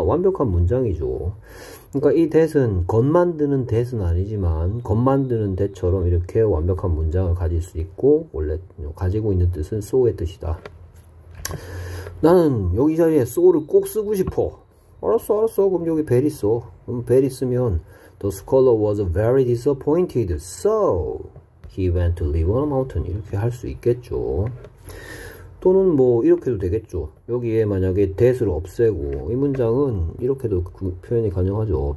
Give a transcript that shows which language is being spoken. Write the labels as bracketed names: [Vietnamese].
[Korean] 완벽한 문장이죠. 그러니까 이 that은 겉 만드는 that은 아니지만 겉 만드는 that처럼 이렇게 완벽한 문장을 가질 수 있고 원래 가지고 있는 뜻은 so의 뜻이다. 나는 여기 자리에 so를 꼭 쓰고 싶어. 알았어, 알았어. 그럼 여기 bell 있어. 그럼 [English] bell 있으면 the scholar was very disappointed. So he went to live on a mountain. [Korean] 이렇게 할수 있겠죠. 또는 뭐 이렇게도 되겠죠. 여기에 만약에 that을 없애고 이 문장은 이렇게도 그 표현이 가능하죠.